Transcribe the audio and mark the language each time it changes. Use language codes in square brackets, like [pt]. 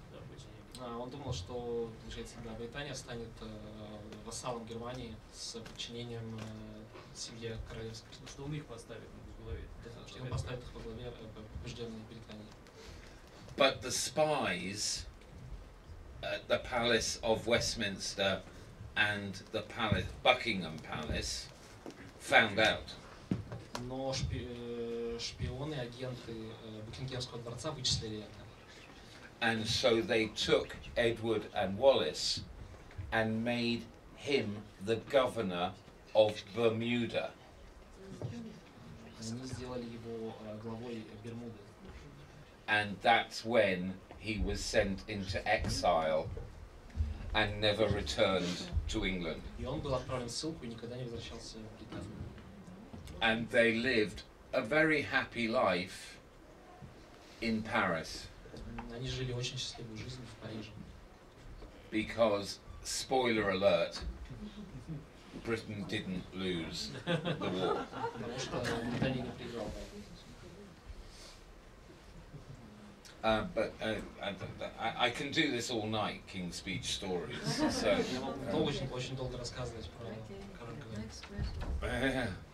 [ru] Да, подчинением Гитлеру. А, он думал, что да, Британия станет вассалом Германии с подчинением семье королевской. Что он их поставит в главе. Да, что он поставит их во главе побежденной Британии. [en] But the spies at the Palace of Westminster and the Palace, Buckingham Palace, found out. [ru] Но шпионы, агенты Букингемского дворца вычислили это. [en] And so they took Edward and Wallace and made him the governor of Bermuda. [ru] Они сделали его главой Бермуды. [en] And that's when he was sent into exile and never returned to England. [ru] И он был отправлен в ссылку и никогда не возвращался в Британию. [en] And they lived a very happy life in Paris. [ru] Они жили очень счастливую жизнь в Париже. [en] Because, spoiler alert, Britain didn't lose the war. [ru] Потому что Британия не проиграла. [en] But I can do this all night, King's Speech stories. So. [ru] Очень долго рассказывать про король.